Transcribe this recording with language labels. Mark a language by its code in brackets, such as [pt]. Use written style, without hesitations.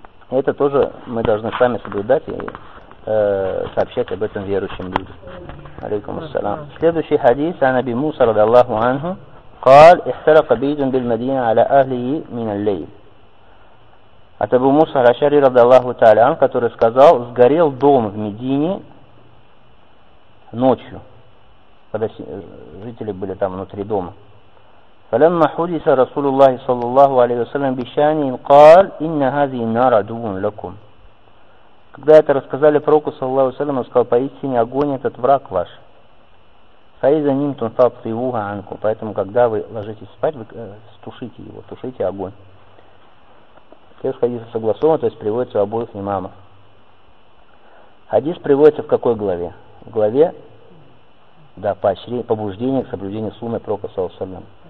[ru] Это тоже мы должны сами соблюдать и сообщать об этом верующим людям. Алейкум ассалам. Следующий хадис о Наби Муса радиаллаху анху. [ar] قال احترق بيت بالمدينة على أهله من الليل. [ru] От Абу Муса аш-Ашари радиаллаху тааля анху, который сказал, сгорел дом в Медине ночью, когда жители были там внутри дома. [ar] فلما حدث رسول الله صلى الله عليه وسلم بشانه قال إن هذه النار عدو لكم. [ru] Когда это рассказали Пророку [ar] صلى الله عليه وسلم, [ru] он сказал, поистине огонь этот враг ваш. [ar] فإذا نمتم فاطفئوها عنكم. [ru] Поэтому, когда вы ложитесь спать, вы тушите его, тушите огонь. Текст хадиса согласован, то есть приводится у обоих имамов. Хадис приводится в какой главе? В главе, да, поощрение, побуждение к соблюдению сунны Пророка [ar] صلى الله عليه وسلم.